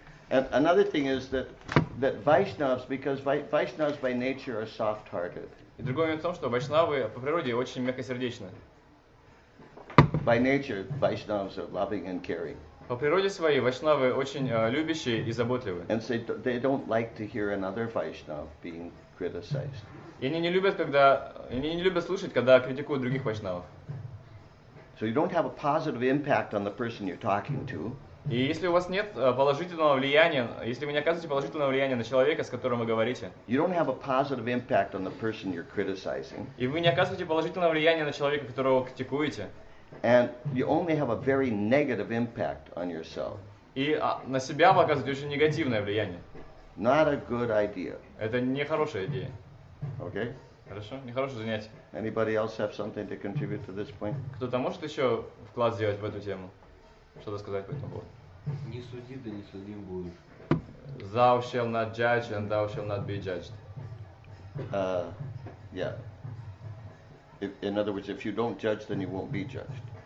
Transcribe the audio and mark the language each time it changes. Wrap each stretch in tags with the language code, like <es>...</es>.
<en>And another thing is that Vaishnavs, because Vaishnavs by nature are soft-hearted.</en> <ru>И другой момент в том, что Вайшнавы по природе очень мягкосердечны.</ru> <en>By nature, Vaishnavas are loving and caring.</en> <ru>По природе своей вайшнавы очень любящие и заботливые.</ru> <en>And so they don't like to hear another Vaishnav being criticized.</en> <ru>И они не любят слушать, когда критикуют других вайшнавов.</ru> <en>So you don't have a positive impact on the person you're talking to.</en> <ru>И если у вас нет положительного влияния, если вы не оказываете положительного влияния на человека, с которым вы говорите,</ru> <en>you don't have a positive impact on the person you're criticizing.</en> <ru>И вы не оказываете положительного влияния на человека, которого критикуете.</ru> <en>And you only have a very negative impact on yourself.</en> <ru>И на себя вы оказываете очень негативное влияние.</ru> <en>Not a good idea.</en> <ru>Это не хорошая идея.</ru> <en>Okay.</en> <ru>Хорошо, не хорошее занятие.</ru> <en>Anybody else have something to contribute to this point?</en> <ru>Кто-то может еще вклад сделать в эту тему? Что-то сказать по этому поводу? Не суди, да не судим будешь.</ru> <en>Thou shall not judge and thou shall not be judged. Yeah. In other words, if you don't judge, then you won't be judged.</en>